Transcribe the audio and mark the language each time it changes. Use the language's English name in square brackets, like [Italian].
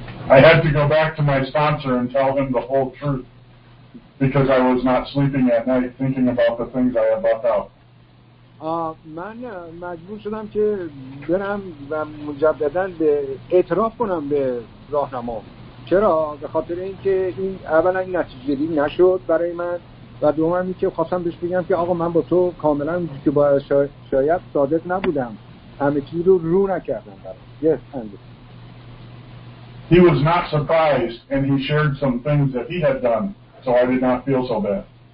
[English] I had to go back to my sponsor and tell him the whole truth because I was not sleeping at night thinking about the things I had left out. [Persian] من مجبور شدم که برم و مجددا به اعتراف کنم به راهنما. چرا؟ به خاطر اینکه این اولا این نتیجه‌گیری نشد برای من و دومم اینکه خواستم بهش بگم که آقا من با تو کاملا که باید شاید صادق نبودم، همه چیز رو رو نکردم برای. [English] Yes, and he was not surprised and he shared some things that he had done so I did not feel so bad.